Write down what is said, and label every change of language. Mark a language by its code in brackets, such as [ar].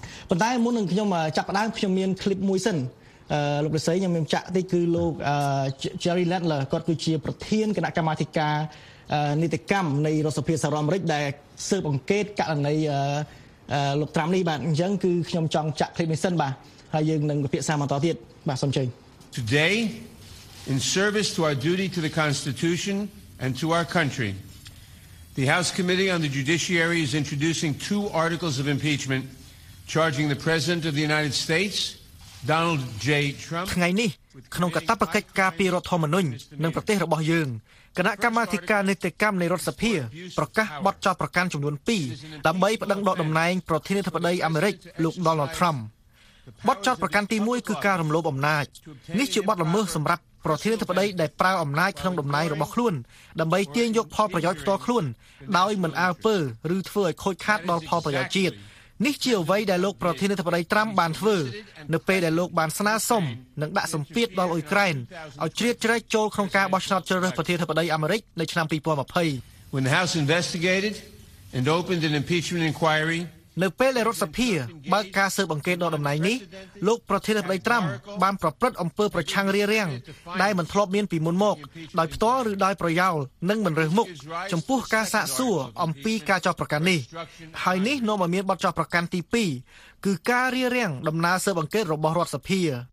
[km] ប៉ុន្តែមុននឹងខ្ញុំចាប់ផ្ដើមខ្ញុំមានឃ្លីបមួយសិនលោកប្រសិទ្ធខ្ញុំមានចាក់តិចគឺលោក Jerry Landler គាត់គឺជាប្រធានគណៈកម្មាធិការនីតិកម្មនៃរដ្ឋសភាសហរដ្ឋអាមេរិកដែលស៊ើបអង្កេតករណីលោកត្រាំនេះបាទអញ្ចឹងគឺខ្ញុំចង់ចាក់ clip នេះសិនបាទហើយយើងនឹងពិភាក្សាបន្តទៀតបាទសូមជើញ [en] Today in service to our duty to the constitution and to our country the House Committee on the Judiciary is introducing two articles of impeachment charging the president of the United States Donald J Trump [km] ថ្ងៃនេះក្នុងកាតព្វកិច្ចការពីរដ្ឋធម្មនុញ្ញនិងប្រទេសរបស់យើងគណៈកម្មាធិការនីតិកម្មនៃរដ្ឋសភាប្រកាសបទចោទប្រកាន់ចំនួន2ដើម្បីប្តឹងដកតំណែងប្រធានាធិបតីអាមេរិកលោក Donald Trump បទចោទប្រកាន់ទី1គឺការរំលោភអំណាចនេះជាបទល្មើសសម្រាប់ប្រធានាធិបតីដែលប្រើអំណាចក្នុងតំណែងរបស់ខ្លួនដើម្បីទាញយកផលប្រយោជន៍ផ្ទាល់ខ្លួនដោយមិនអើពើឬធ្វើឲ្យខូចខាតដល់ផលប្រយោជន៍ជាតិនេះជាអ្វីដែលលោកប្រធានាធិបតី Trump បានធ្វើនៅពេលដែលលោកបានស្នើសុំនិងដាក់សម្ពាធដល់អ៊ុយក្រែនឲ្យជ្រៀតជ្រែកចូលក្នុងការបោះឆ្នោតជ្រើសរើសប្រធានាធិបតីអាមេរិកនៅឆ្នាំ2020 [en] When the House investigated and opened an impeachment inquiry [km] នៅពេលដែលរដ្ឋសភាបើកការស៊ើបអង្កេតដល់តំណែងនេះលោកប្រធានាធិបតី Trump បានប្រព្រឹត្តអំពើប្រឆាំងរារាំងដែលមិនធ្លាប់មានពីមុនមកដោយផ្ទាល់ឬដោយប្រយោលនិងមិនរើសមុខចំពោះការសាកសួរអំពីការចោទប្រកាន់នេះហើយនេះនាំឲ្យមានបទចោទប្រកាន់ទី2គឺការរារាំងដំណើរស៊ើបអង្កេតរបស់រដ្ឋសភា